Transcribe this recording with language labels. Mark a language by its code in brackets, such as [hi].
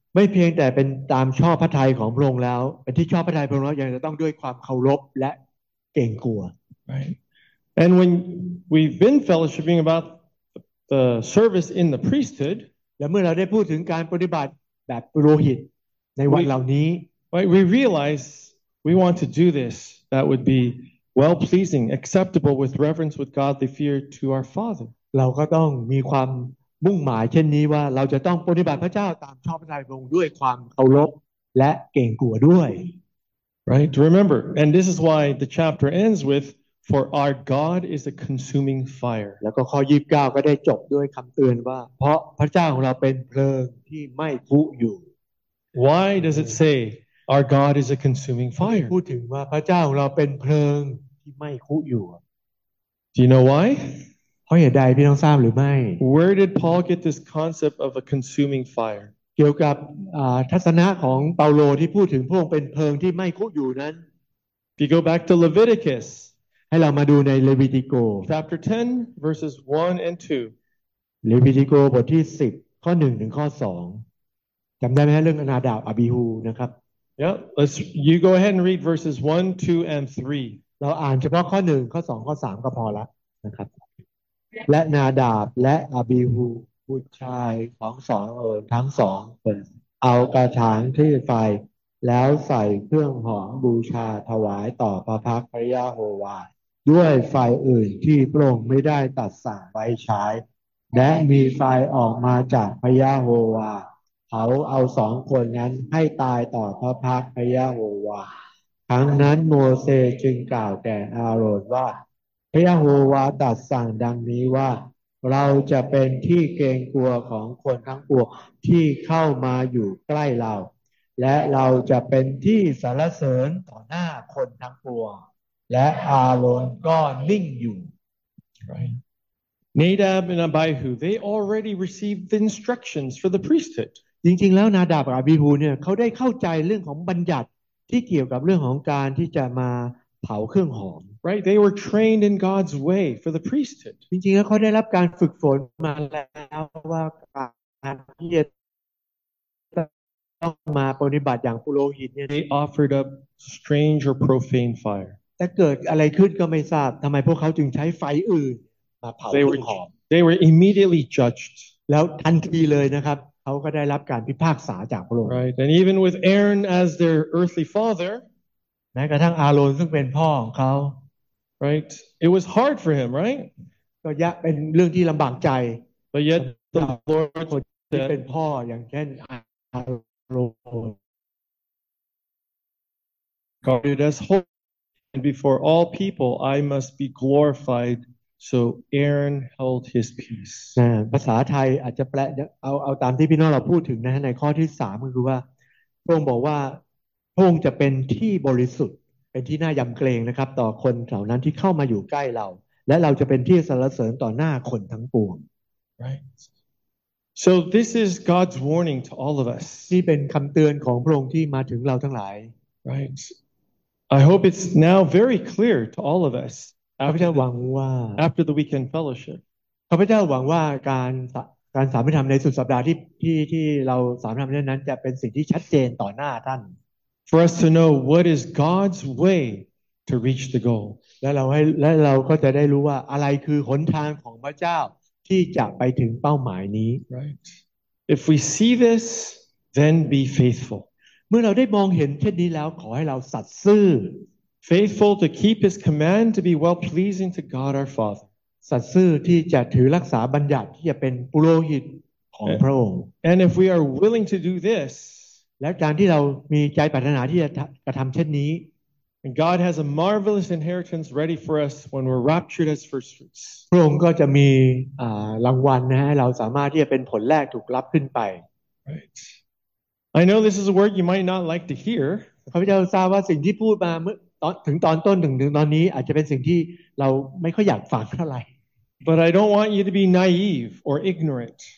[th] ไม่เพียงแต่เป็นตามชอบพระทัยของพระองค์แล้วเป็นที่ชอบพระทัยพระองค์แล้วยังจะต้องด้วยความเคารพและเกรงกลัว [en] Right. And when we've been fellowshipping about the service in the priesthood. [th] และเมื่อเราได้พูดถึงการปฏิบัติแบบปุโรหิตในวันเหล่านี้ [en] Right. We realize. We want to do this that would be well pleasing, acceptable with reverence, with godly fear to our Father. [th] เราก็ต้องมีความมุ่งหมายเช่นนี้ว่าเราจะต้องปฏิบัติพระเจ้าตามชอบพระทัยพระองค์ด้วยความเคารพและเกรงกลัวด้วย [en] Right. Remember, and this is why the chapter ends with, "For our God is a consuming fire." [th] แล้วก็ข้อ29ก็ได้จบด้วยคำเตือนว่าเพราะพระเจ้าของเราเป็นเพลิงที่ไหม้พุอยู่ [en] Why does it say? Our God is a consuming fire. [th] พูดถึงว่าพระเจ้าของเราเป็นเพลิงที่ไหม้คุอยู่ [en] Do you know why? [th] เพราะเหตุใดพี่น้องทราบหรือไม่ [en] Where did Paul get this concept of a consuming fire? [th] เกี่ยวกับทัศนะของเปาโลที่พูดถึงพระองค์เป็นเพลิงที่ไหม้คุอยู่นั้น [en] If you go back to Leviticus, [th] ให้เรามาดูในเลวีติโก [en] Chapter 10 verses 1 and 2. [th] เลวีติโกบทที่10ข้อ1ถึงข้อ2จำได้ไหมเรื่องอนาดาบอบิฮูนะครับ [en] Yeah, let's you go ahead and read verses 1, 2 and 3. [th] เราอ่านเฉพาะข้อ1ข้อ2ข้อ3ก็พอละนะครับและนาดาบและอาบีฮูบุตรชายของสองเอิร์นทั้งสองคนเอากระถางที่ไฟแล้วใส่เครื่องหอมบูชาถวายต่อพระพักตร์พระยะโฮวาด้วยไฟอื่นที่พระองค์ไม่ได้ตรัสสั่งไว้ใช้ และมีไฟออกมาจากพระยะโฮวาเขาเอาสองคนนั้นให้ตายต่อพระพักตร์พระยะโฮวาครั้งนั้นโมเสสจึงกล่าวแก่อาโรนว่าพระยะโฮวาตรัสสั่งดังนี้ว่าเราจะเป็นที่เกรงกลัวของคนทั้งปวงที่เข้ามาอยู่ใกล้เราและเราจะเป็นที่สรรเสริญต่อหน้าคนทั้งปวงและอาโรนก็นิ่งอยู่ [en] Right. Nadab and Abihu they already received the instructions for the priesthood [th] จริงๆแล้วนาดาบกับอาบีฮูเนี่ยเขาได้เข้าใจเรื่องของบัญญัติที่เกี่ยวกับเรื่องของการที่จะมาเผาเครื่องหอม [en] Right they were trained in God's way for the priesthood [th] จริงๆแล้วเขาได้รับการฝึกฝนมาแล้วว่าการที่จะต้องมาปฏิบัติอย่างปุโรหิตเนี่ย [en] They offered up strange or profane fire [th] แต่เกิดอะไรขึ้นก็ไม่ทราบทำไมพวกเขาจึงใช้ไฟอื่นมาเผาเครื่องหอม [en] They were immediately judged [th] แล้วทันทีเลยนะครับเขาก็ได้รับการพิพากษาจากพระองค์ [en] Right and even with Aaron as their earthly father [th] แม้กระทั่งอาโรนซึ่งเป็นพ่อของเขา [en] Right it was hard for him right [th] ก็ยากเป็นเรื่องที่ลำบากใจ [en] But yet the Lord [th] คนที่เป็นพ่ออย่างเช่นอาโรน [en] God is holy and before all people I must be glorifiedSo Aaron held his peace. [th] ภาษาไทยอาจจะแปลเอาตามที่พี่น้องเราพูดถึงนะในข้อที่3ก็คือว่าพระองค์บอกว่าพระองค์จะเป็นที่บริสุทธิ์เป็นที่น่ายำเกรงนะครับต่อคนเหล่านั้นที่เข้ามาอยู่ใกล้เราและเราจะเป็นที่สรรเสริญต่อหน้าคนทั้งปวง [en] Right. So this is God's warning to all of us. [th] นี่เป็นคำเตือนของพระองค์ที่มาถึงเราทั้งหลาย [en] Right. I hope it's now very clear to all of us. [th] ข้าพเจ้าหวังว่า [en] after the weekend fellowship [th] ข้าพเจ้าหวังว่าการสามัญธรรมในสุดสัปดาห์ที่เราสามัญธรรมนั้นจะเป็นสิ่งที่ชัดเจนต่อหน้าท่าน [en] for us to know what is God's way to reach the goal [th] และเราก็จะได้รู้ว่าอะไรคือหนทางของพระเจ้าที่จะไปถึงเป้าหมายนี้ [en] right If we see this, then be faithful. [th] เมื่อเราได้มองเห็นเช่นนี้แล้วขอให้เราสัตย์ซื่อ [en] Faithful to keep his command to be well pleasing to God our Father. [th] สัตย์ซื่อที่จะถือรักษาบัญญัติที่จะเป็นปุโรหิตของพระองค์ [en] And if we are willing to do this, [th] และการที่เรามีใจปรารถนาที่จะกระทำเช่นนี้ [en] And God has a marvelous inheritance ready for us when we're raptured as first fruits. [th] พระองค์ก็จะมีรางวัลนะให้เราสามารถที่จะเป็นผลแรกถูกรับขึ้นไป [en] Right. I know this is a word you might not like to hear. [th] ข้าพเจ้าทราบว่าสิ่งที่พูดมาเมื่อตอนถึงตอนต้นถึงตอนนี้อาจจะเป็นสิ่งที่เราไม่ค่อยอยากฟังเท่าไหร่ [en] But I don't want you to be naive or ignorant.